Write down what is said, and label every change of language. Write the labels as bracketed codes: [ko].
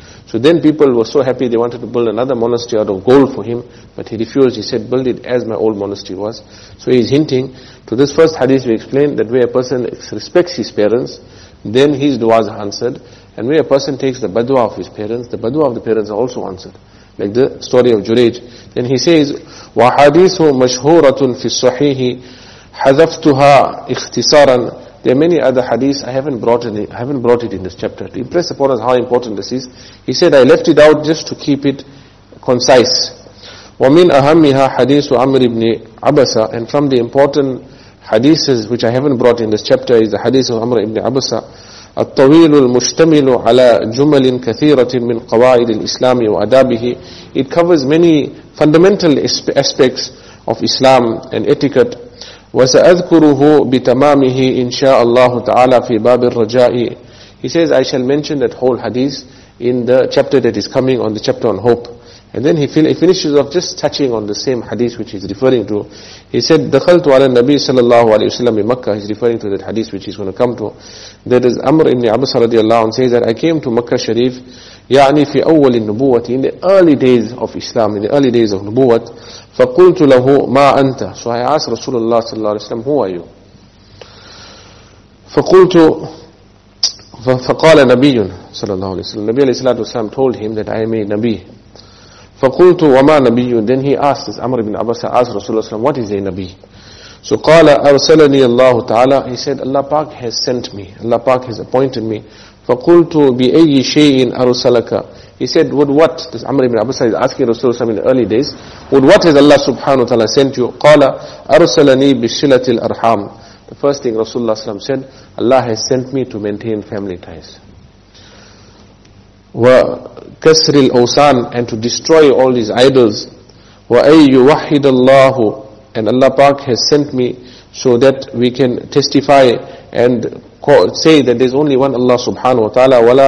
[en] So then people were so happy, they wanted to build another monastery out of gold for him, but he refused. He said, build it as my old monastery was. So he's hinting to this first hadith, we explained that where a person respects his parents, then his du'as are answered. And where a person takes the badwa of his parents, the badwa of the parents are also answered. Like the story of Juraj. Then he says, [ar] وَحَدِيثُ مَشْهُورَةٌ فِي الصُّحِيحِ حَذَفْتُهَا اِخْتِصَارًا. [en] There are many other hadiths. I haven't brought it in this chapter to impress upon us how important this is. He said, I left it out just to keep it concise. [ar] وَمِنْ أَهَمِّهَا حَدِيثُ عَمْرِ بْنِ عَبَسَ. [en] And from the important hadiths which I haven't brought in this chapter is the hadith of Amr ibn Abasa. [ar] الطويل المشتمل على جمل كثيرة من قواعد الإسلام وأدابه. [en] It covers many fundamental aspects of Islam and etiquette. [ar] وسأذكره بتمامه إن شاء الله تعالى في باب الرجاء. [en] He says, I shall mention that whole hadith in the chapter that is coming, on the chapter on hope. And then he finishes off just touching on the same hadith which he's referring to. He said, [ar] دخلت على النبي صلى الله عليه وسلم بمكة. [en] He's referring to that hadith which he's going to come to. That is Amr ibn Abbas رضي الله عنه says that I came to Makkah Sharif, [ar] يعني في أول النبوة, [en] in the early days of Islam, in the early days of نبوة. [ar] فقلت له ما أنت. [en] So I asked رسول الله صلى الله عليه وسلم, who are you? [ar] فقلت فقال نبي صلى الله عليه وسلم. النبي عليه الصلاة والسلام [en] told him that I am a نبي. [ar] فقلت وما نبي. [en] Then he asked this Amr ibn Abbas, asked Rasulullah SAW, what is a Nabi? So [ar] قال أرسلني الله تعالى. [en] He said, Allah Pak has sent me, Allah Pak has appointed me. [ar] فقلت بأي شيء أرسلك. [en] He said, with what? This Amr ibn Abbas is asking Rasulullah SAW in the early days, with what has Allah subhanahu wa ta'ala sent you? [ar] قال أرسلني بصلة الأرحام. [en] The first thing Rasulullah SAW said, Allah has sent me to maintain family ties. [ar] وكسر الأوثان, [en] and to destroy all these idols. [ar] وأي يوحد الله, [en] and Allah Pak has sent me so that we can testify and say that there is only one Allah subhanahu wa ta'ala.